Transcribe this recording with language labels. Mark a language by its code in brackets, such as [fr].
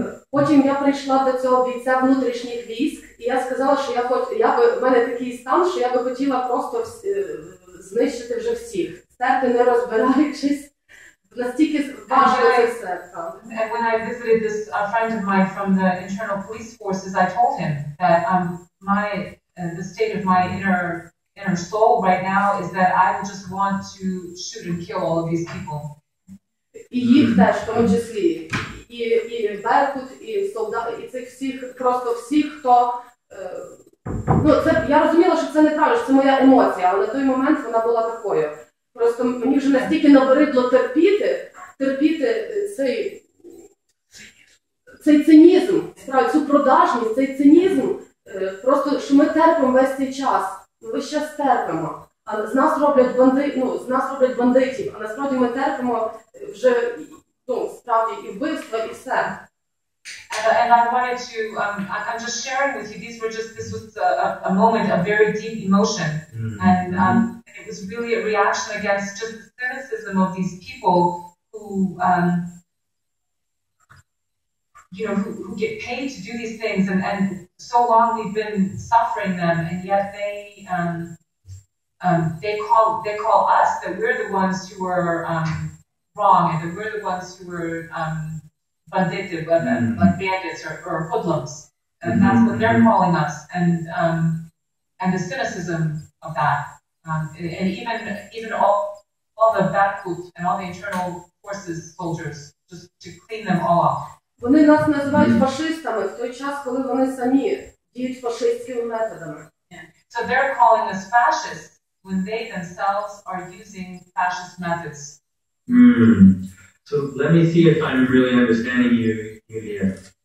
[uk] Потім я прийшла до цього бійця внутрішніх військ, і я сказала, що в мене такий стан, що я би хотіла просто знищити вже всіх. Стерти, не розбираючись, настільки важко це все. [en] And when I visited this friend of mine from the internal police forces, I told him that the state of my inner soul right now is that I just want to shoot and kill all of these people. [uk] І їх теж, в тому числі. І Беркут, і солдати, і цих всіх, просто всіх, хто... я розуміла, що це неправильно, що це моя емоція, але на той момент вона була такою. Просто мені вже настільки набридло терпіти цей цинізм, справді, цю продажність, цей цинізм, просто, що ми терпимо весь цей час. Ми ще терпимо, а з нас роблять бандитів, а насправді ми терпимо вже справді і вбивства, і все. [en] And I wanted to, I'm just sharing with you, this was a moment of very deep emotion. Mm-hmm. And it was really a reaction against just the cynicism of these people who get paid to do these things, and so long we've been suffering them, and yet they call us that we're the ones who were wrong, and that we're the ones who were bandited, like bandits or hoodlums, and that's what they're calling us, and and the cynicism of that, and even all the Batkut and all the internal forces soldiers, just to clean them all off. [uk] Вони нас називають фашистами в той час, коли вони самі діють фашистськими методами. [en] So they're calling us fascists when they themselves are using fascist methods. So let me see if I'm really understanding you, Yulia.